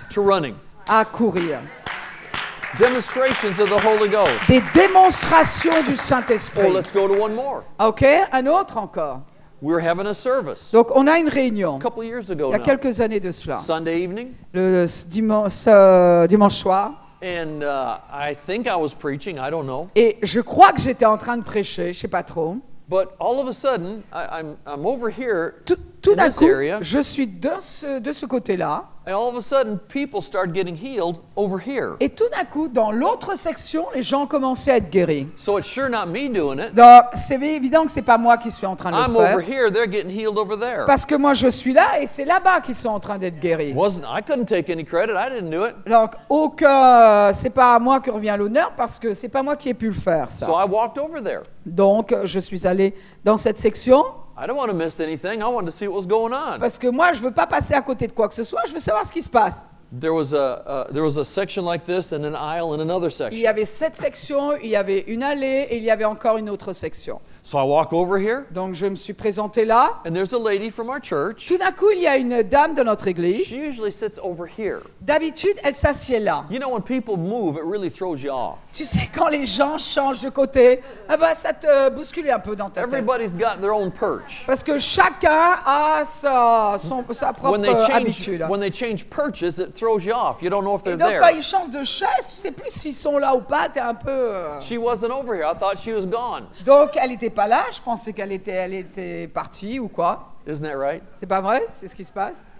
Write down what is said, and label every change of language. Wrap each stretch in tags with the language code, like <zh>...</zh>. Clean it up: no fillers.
<en>to running,</en> <fr>à courir.</fr> <en>Demonstrations of the Holy Ghost.</en> <fr>Des démonstrations du Saint-Esprit.</fr> <en>Oh, let's go to one more.</en> <fr>OK, un autre encore.</fr> <en>We're having a service.</en> <fr>Donc on a une réunion.</fr> <en>A couple years ago</en> <fr>il y a</fr> <en>now.</en> <fr>Quelques années de cela.</fr> <en>Sunday evening.</en> <fr>Le dimanche soir.</fr> <en>And I think I was preaching, I don't know.</en> <fr>Et je crois que j'étais en train de prêcher, je sais pas trop.</fr> <en>But all of a sudden, I'm over here.</en> <fr>Tout tout d'un coup, je suis de ce côté-là.</fr> <en>And all of a sudden, people start getting healed over here.</en> <fr>Et tout d'un coup, dans l'autre section, les gens commençaient à être guéris.</fr> <en>So it's sure not me doing it.</en> <fr>Donc, c'est évident que c'est pas moi qui suis en train de le faire.</fr> <en>I'm over here, they're getting healed over there.</en> <fr>Parce que moi, je suis là, et c'est là-bas qu'ils sont en train d'être guéris.</fr> <en>I couldn't take any credit. I didn't do it.</en> <fr>Donc, c'est pas à moi que revient l'honneur, parce que c'est pas moi qui ai pu le faire, ça.</fr> <en>So I walked over there.</en> <fr>Donc, je suis allé dans cette section.</fr> <en>I don't want to miss anything. I wanted to see what was going on.</en> <fr>Parce que moi, je veux pas passer à côté de quoi que ce soit. Je veux savoir ce qui se passe.</fr> <en>There was a section like this, and an aisle in another section.</en> <fr>Il y avait cette section, il y avait une allée, et il y avait encore une autre section.</fr> <en>So I walk over here.</en> <fr>Donc je me suis présenté là.</fr> <en>And there's a lady from our church.</en> <fr>Tout d'un coup, il y a une dame de notre église.</fr> <en>She usually sits over here.</en> <fr>D'habitude, elle s'assied là.</fr> <en>You know, when people move, it really throws you off.</en> <fr>Tu sais, quand les gens changent de côté, ça te bouscule un peu dans ta tête.</fr> <en>Everybody's got their own perch.</en> <fr>Parce que chacun a sa propre habitude.</fr> <en>When they change perches, it throws you off. You don't know if they're</en> <fr>Et donc,</fr> <en>there.</en> <fr>Quand ils changent de chaise, tu sais plus s'ils sont là ou pas. T'es un peu.</fr> <en>She wasn't over here. I thought she was gone.</en> <fr>Donc elle était pas là, je pensais qu'elle était partie ou quoi.</fr> <en>Isn't that right?</en> <fr>C'est pas vrai, c'est ce qui se passe.</fr>